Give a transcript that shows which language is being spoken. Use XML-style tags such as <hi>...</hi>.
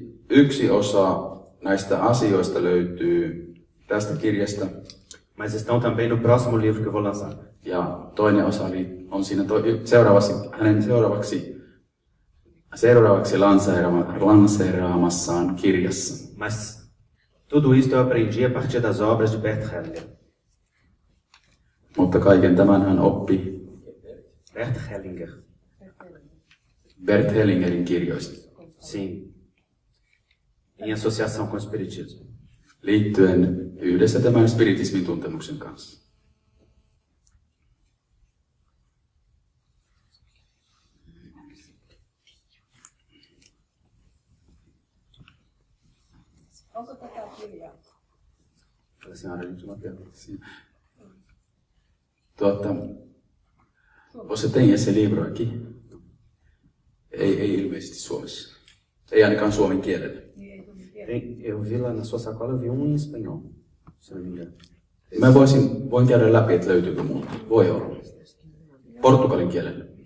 <fi>Yksi osa näistä asioista löytyy tästä kirjasta.</fi> <pt>Mas estão também no próximo livro que eu vou lançar.</pt> <fi>Ja toinen osa on siinä seuraavaksi, hänen seuraavaksi lanseeraamassaan kirjassa.</fi> <pt>Mas tudo isto eu aprendi a partir das obras de Bert Hellinger.</pt> <fi>Mutta kaiken tämän hän oppi Bert Hellinger. Bert Hellingerin kirjoista.</fi> <pt>Sim. Em associação com o espiritismo.</pt> <fi>Liittyen yhdessä tämän spiritismin tuntemuksen kanssa. Onko tätä kirjaa? Tässä on rintuma kertomuksia. Olette tehneet se libroakin? Ei ilmeisesti Suomessa. Ei ainakaan suomen kielellä.</fi> <pt>Eu vi lá na sua sacola, eu vi em espanhol, se não me engano.</pt> <fi>Mä voin käydä läpi, että löytyykö muuta. Voi olla. Portugalin kielellä.</fi>